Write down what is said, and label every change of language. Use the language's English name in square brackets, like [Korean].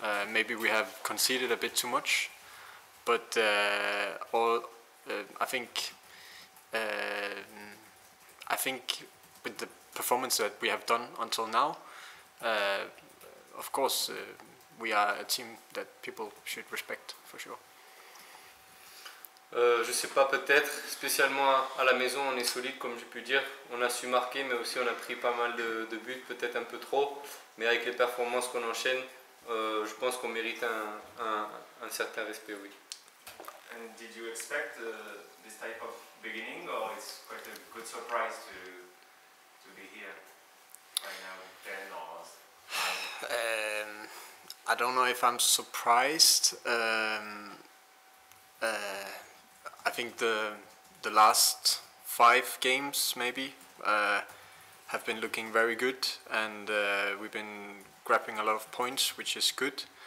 [English] Maybe we have conceded a bit too much. But I think with the performance that we have done until now, of course, we are a team that people should respect for sure. [French] Je sais pas, peut-être, spécialement à la maison, on est solide, comme j'ai pu dire. On a su marquer, mais aussi on a pris pas mal de buts, peut-être un peu trop. Mais avec les performances qu'on enchaîne, je pense qu'on mérite un certain respect, oui. [English] And did you expect this type of beginning, or it's quite a good surprise to be here right now, 10 or 5? I don't know if I'm surprised. I think the last 5 games maybe have been looking very good, and we've been grabbing a lot of points, which is good.